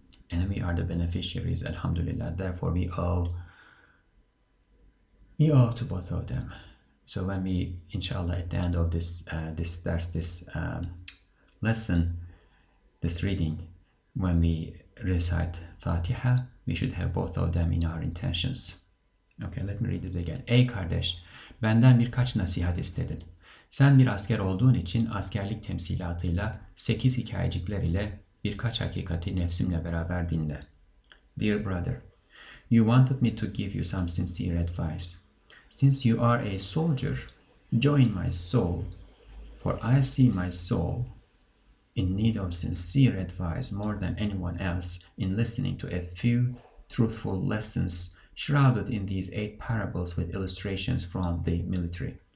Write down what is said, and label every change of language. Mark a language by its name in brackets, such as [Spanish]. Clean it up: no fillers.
[English] And we are the beneficiaries, alhamdulillah. Therefore, we owe to both of them. So when we, inshallah, at the end of this reading, when we recite Fatiha, we should have both of them in our intentions. Okay, let me read this again. [Turkish] Ey kardeş, benden birkaç nasihat istedin. Sen bir asker olduğun için askerlik temsilatıyla, 8 hikayecikler ile birkaç hakikati nefsimle beraber dinle. [English] Dear brother, you wanted me to give you some sincere advice. Since you are a soldier, join my soul, for I see my soul in need of sincere advice more than anyone else in listening to a few truthful lessons shrouded in these 8 parables with illustrations from the military.